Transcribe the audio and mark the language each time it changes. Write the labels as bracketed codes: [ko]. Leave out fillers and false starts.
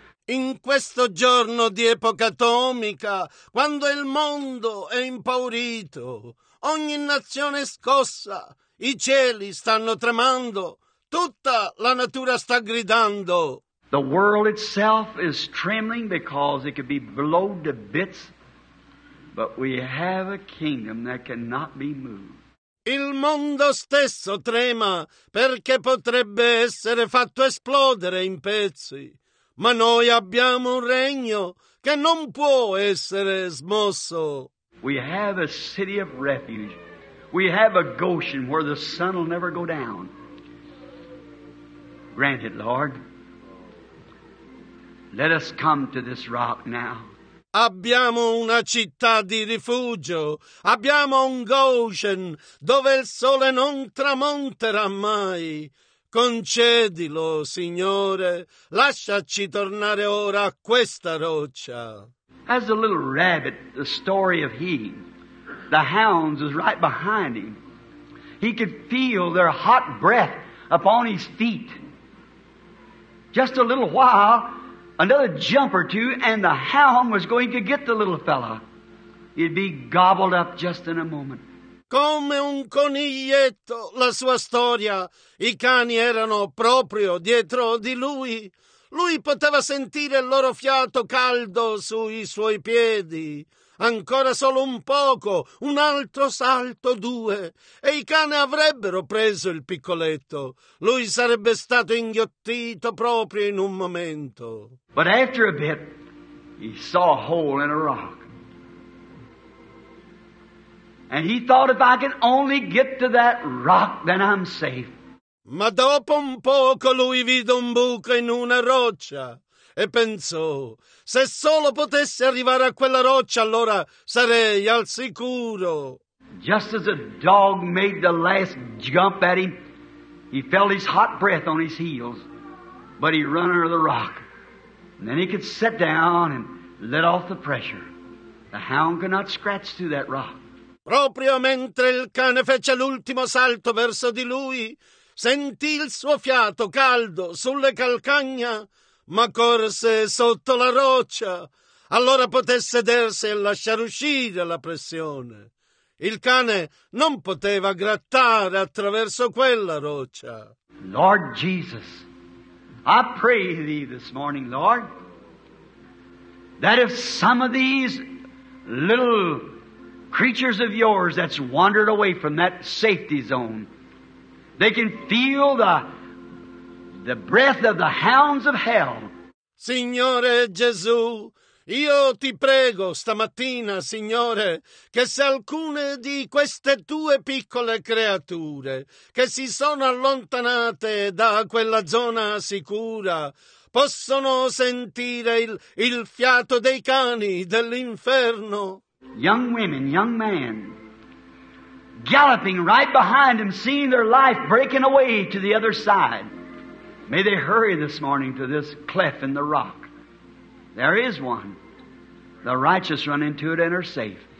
[it] In questo giorno di epoca atomica, quando il mondo è impaurito, ogni nazione è scossa, i cieli stanno tremando, tutta la natura sta gridando. [en] The world itself is trembling because it could be blown to bits, but we have a kingdom that cannot be moved. [it] Il mondo stesso trema perché potrebbe essere fatto esplodere in pezzi, ma noi abbiamo un regno che non può essere smosso. [en] We have a city of refuge. We have a Goshen where the sun will never go down. Grant it, Lord. Let us come to this rock now. [it] abbiamo una città di rifugio, abbiamo un Goshen dove il sole non tramonterà mai. Concedilo, Signore, lasciaci tornare ora a questa roccia. [en] As a little rabbit, the story of he, the hounds is right behind him. He could feel their hot breath upon his feet. Just a little while, another jump or two, and the hound was going to get the little fella. He'd be gobbled up just in a moment. [it] Come un coniglietto, la sua storia. I cani erano proprio dietro di lui. Lui poteva sentire il loro fiato caldo sui suoi piedi. Ancora solo un poco, un altro salto, due, e i cani avrebbero preso il piccoletto. Lui sarebbe stato inghiottito proprio in un momento. [en] But after a bit, he saw a hole in a rock. And he thought, if I can only get to that rock, then I'm safe. [it] Ma dopo un poco lui vide un buco in una roccia e pensò, se solo potessi arrivare a quella roccia, allora sarei al sicuro. [en] Just as a dog made the last jump at him, he felt his hot breath on his heels, but he ran under the rock. And then he could sit down and let off the pressure. The hound could not scratch through that rock. [it] Proprio mentre il cane fece l'ultimo salto verso di lui, sentì il suo fiato caldo sulle calcagna, ma corse sotto la roccia. Allora poté sedersi e lasciare uscire la pressione. Il cane non poteva grattare attraverso quella roccia. [en] Lord Jesus, I pray thee this morning, Lord, that if some of these little creatures of yours that's wandered away from that safety zone, they can feel the breath of the hounds of hell. [it] Signore Gesù, io ti prego stamattina, Signore, che se alcune di queste tue piccole creature che si sono allontanate da quella zona sicura possono sentire il fiato dei cani dell'inferno. [en] Young women, young men, galloping right behind him, seeing their life breaking away to the other side. May they hurry this morning to this cleft in the rock. There is one. The righteous run into it and are safe.